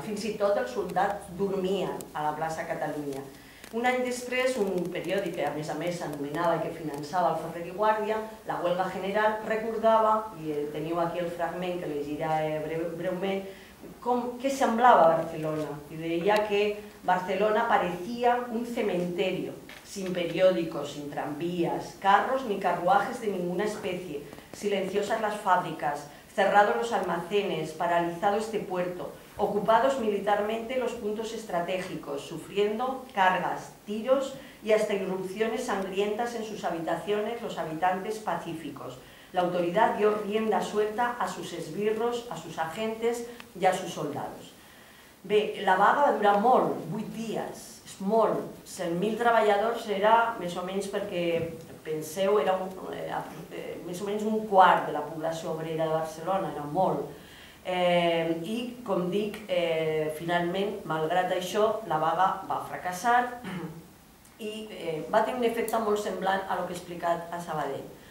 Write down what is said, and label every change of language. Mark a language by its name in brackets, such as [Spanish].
[Catalan] Fins i tot els soldats dormien a la plaça Catalunya. Un any després, un periòdic que a més s'anomenava i que finançava el Ferrer i Guàrdia, la Huelga General, recordava, i teniu aquí el fragment que llegirà breument, què semblava Barcelona. I deia que [Spanish] Barcelona parecia un cementerio, sin periódicos, sin tranvías, carros ni carruajes de ninguna especie, silenciosas las fábricas, cerrados los almacenes, paralizado este puerto, ocupados militarmente los puntos estratégicos, sufriendo cargas, tiros y hasta irrupciones sangrientas en sus habitaciones los habitantes pacíficos. La autoridad dio rienda suelta a sus esbirros, a sus agentes y a sus soldados. [Catalan] Bé, la vaga va durar molt, 8 dies, és molt. 100.000 treballadors era, més o menys, perquè penseu, era més o menys un quart de la població obrera de Barcelona, era molt. I, com dic, finalment, malgrat això, la vaga va fracassar i va tenir un efecte molt semblant a el que he explicat a Sabadell.